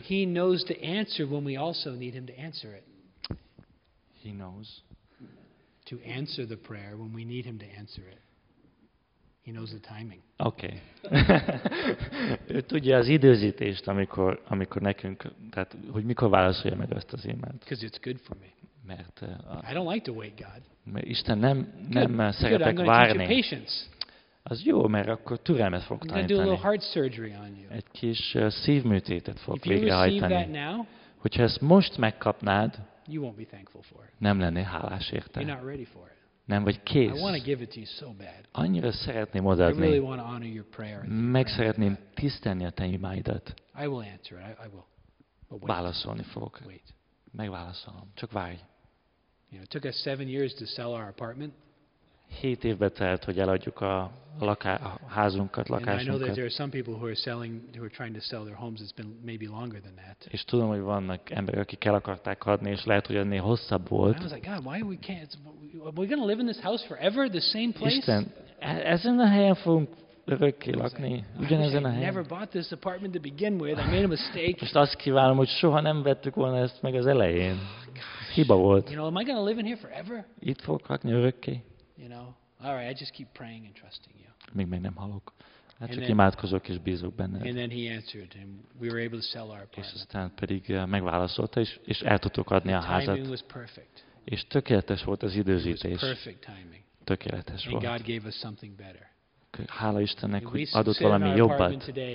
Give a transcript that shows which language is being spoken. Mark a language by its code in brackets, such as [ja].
[en] He knows the answer when we also need him to answer it. He knows. To answer the prayer when we need him to answer it. He knows the timing. Okay. [hu] Ő tudja az időzítést, amikor nekünk, tehát hogy mikor válaszolja meg ezt az imát. [en] Because it's good for me. [hu] Mert [en] I don't like to wait, God. [hu] Mert Isten nem szeretek várni. Az jó, mert akkor türelmet fog tanítani. Egy kis szívműtétet fog végrehajtani. Hogyha ezt most megkapnád, [en] you won't be thankful for it. [hu] Nem lennél hálás érte. [en] You're not ready for it. [hu] Nem vagy kész. [en] I want to give it to you so bad. [hu] Annyira szeretném odaadni. [en] I really want to honor your prayer. [hu] Meg szeretném tisztelni a te imádat. [en] I will answer it. I will. But wait. [hu] Válaszolni fogok. [en] Wait. [hu] Megválaszolom. Csak várj. [en] You know, it took us 7 years to sell our apartment. [hu] 7 évbe telt, hogy eladjuk a házunkat, lakásunkat. [en] And I know that there are some people who are selling, who are trying to sell their homes. It's been maybe longer than that. [hu] És tudom, hogy vannak emberek, akik el akarták adni, és lehet, hogy ennél hosszabb volt. [en] I was like, God, why we can't? Are we going to live in this house forever, the same place? [hu] Isten, ezen a helyen fogunk örökké lakni, ugyanezen a helyen. [en] Never bought this apartment to begin with. I made a mistake. [hu] Most azt kívánom, hogy soha nem vettük volna ezt meg az elején. Hiba volt. [en] You know, am I going to live in here forever? [hu] Itt fogok lakni örökké. [en] You know, all right, I just keep praying and trusting you. [hu] Még nem hallok. Hát csak imádkozok és bízok benned. [en] And then he answered and we were able to sell our apartment. [hu] És aztán pedig megválaszolta és el tudtuk adni a házat. [en] Timing was perfect. [hu] És tökéletes volt az időzítés. [en] Perfect timing. [hu] Tökéletes volt. [en] And God gave us something better. [hu] Hála Istennek, hogy adott valami jobbat.